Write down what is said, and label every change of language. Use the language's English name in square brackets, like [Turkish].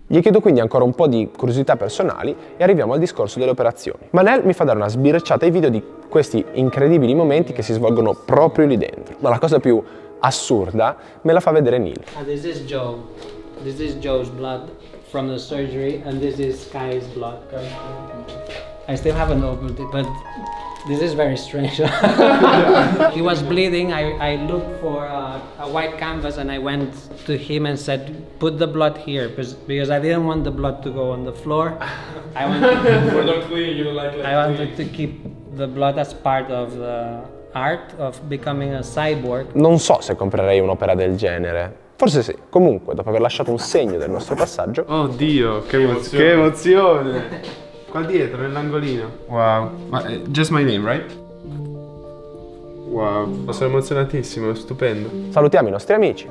[Italian] Gli chiedo quindi ancora un po' di curiosità personali e arriviamo al discorso delle operazioni. Manel mi fa dare una sbirciata ai video di questi incredibili momenti che si svolgono proprio lì dentro. Ma la cosa più assurda me la fa vedere Neil. [English] This is Joe. This is Joe's blood from the surgery, and this is Kai's blood. I still haven't opened it, but this is very strange. He was bleeding. I looked for a white canvas, and I went to him and said, put the blood here, because I didn't want the blood to go on the floor. I wanted, to keep the blood as part of the art of becoming a cyborg. [Italian] Non so se comprerei un'opera del genere. Forse sì. Comunque, dopo aver lasciato un segno del nostro passaggio... Oddio, che emozione! Che emozione! Qua dietro, nell'angolino. [English] Wow. Ma, just my name, right? Wow. [Italian] Ma sono emozionatissimo, è stupendo. Salutiamo i nostri amici.